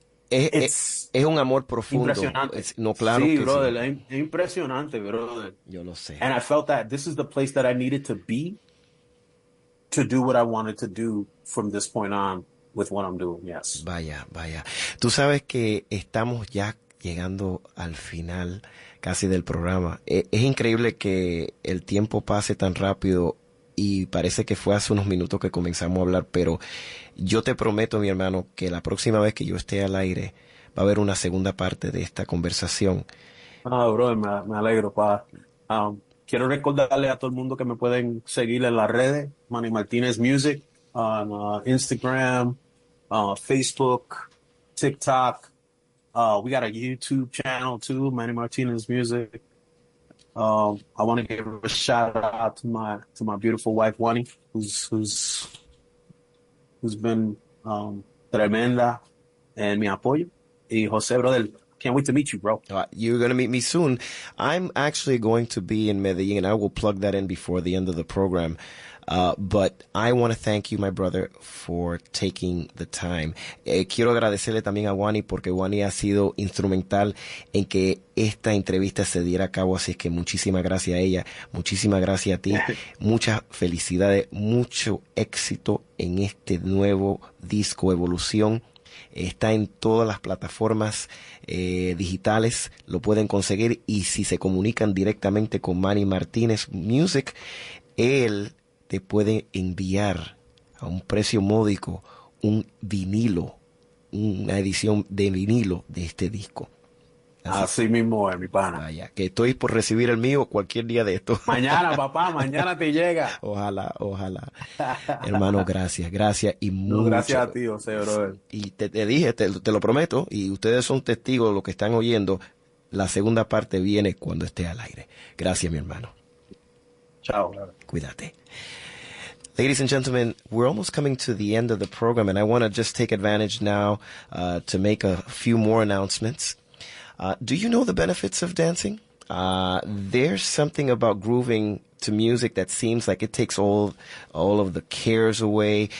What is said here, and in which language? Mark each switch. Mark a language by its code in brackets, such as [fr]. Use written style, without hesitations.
[es] Es un amor profundo. Impresionante. Es, no, claro, sí, que [en] brother, [es] sí. Es impresionante, brother. Yo lo sé. [en] And I felt that this is the place that I needed to be to do what I wanted to do from this point on with what I'm doing, yes. [es] Vaya, vaya. Tú sabes que estamos ya llegando al final casi del programa. Es increíble que el tiempo pase tan rápido y parece que fue hace unos minutos que comenzamos a hablar, pero yo te prometo, mi hermano, que la próxima vez que yo esté al aire va a haber una segunda parte de esta conversación. Ah, bro, me alegro, pa. Quiero recordarle a todo el mundo que me pueden seguir en las redes, Manny Martinez Music, en Instagram, Facebook, TikTok. [en] We got a YouTube channel too, Manny Martinez Music. I want to give a shout out to my beautiful wife, Wani, who's been [es] tremenda en mi apoyo. [en] Y José, brother, can't wait to meet you, bro. You're going to meet me soon. I'm actually going to be in Medellin, and I will plug that in before the end of the program. But I want to thank you, my brother, for taking the time. [es] Quiero agradecerle también a Wani, porque Wani ha sido instrumental en que esta entrevista se diera a cabo. Así es que muchísimas gracias a ella, muchísimas gracias a ti. Muchas felicidades, mucho éxito en este nuevo disco Evolución. Está en todas las plataformas digitales, lo pueden conseguir. Y si se comunican directamente con Manny Martinez Music, él te puede enviar a un precio módico un vinilo, una edición de vinilo de este disco. Así mismo es, mi pana. Vaya, que estoy por recibir el mío cualquier día de esto. Mañana, papá, mañana te llega. Ojalá, ojalá. Hermano, gracias, gracias y no, muchas gracias a ti, José, brother. Y te dije, te lo prometo, y ustedes son testigos de lo que están oyendo, la segunda parte viene cuando esté al aire. Gracias, mi hermano. Ciao. Cuídate. [en] Ladies and gentlemen, we're almost coming to the end of the program, and I want to just take advantage now to make a few more announcements. Do you know the benefits of dancing? There's something about grooving to music that seems like it takes all of the cares away.